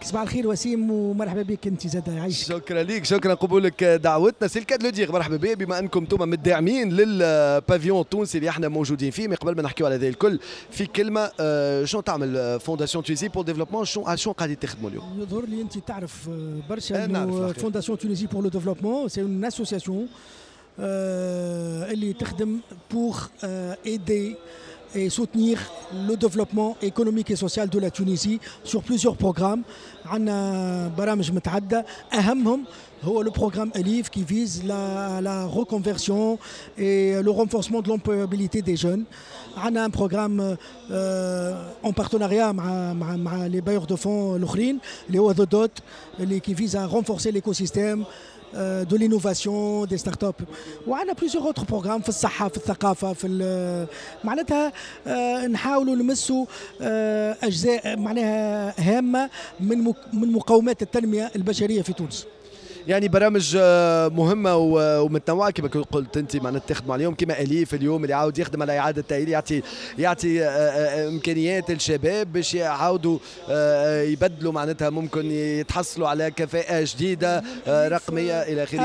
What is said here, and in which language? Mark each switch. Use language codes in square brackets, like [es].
[ar] صباح الخير وسيم، ومرحبا بك انت زاد عايش. شكرا لك، شكرا قبولك دعوتنا. سي الكاد لو دير، مرحبا بك، بما انكم انتم مدعمين للبافيون التونسي اللي احنا موجودين فيه. من قبل ما نحكيوا على ذا الكل، في كلمه شنو تعمل فونداسيون تونيزي بور ديفلوبمون؟ شنو قاعدين تخدموا اليوم؟ يظهر لي انت تعرف برشا [fr] Fondation Tunisie pour le développement, c'est une association qui travaille pour aider et soutenir le développement économique et social de la Tunisie sur plusieurs programmes. On a programmes متعددة، le programme ELIF qui vise la reconversion et le renforcement de l'employabilité des jeunes. On a un programme en partenariat avec les bailleurs de fonds l'Ukraine, les OADODOT, qui vise à renforcer l'écosystème de l'innovation des start-up. [ar] وعنا [fr] plusieurs autres programmes [ar] في الصحة، في الثقافة، في معناتها نحاولوا نمسوا أجزاء معناها هامة من مقومات التنمية البشرية في تونس. يعني برامج مهمة ومتنوعة كما قلت أنت، معناتها تخدم اليوم كما أليف اليوم اللي عاود يخدم على إعادة تأهيل، يعطي إمكانيات الشباب باش يعاودوا يبدلوا، معناتها ممكن يتحصلوا على كفاءة جديدة رقمية إلى آخره.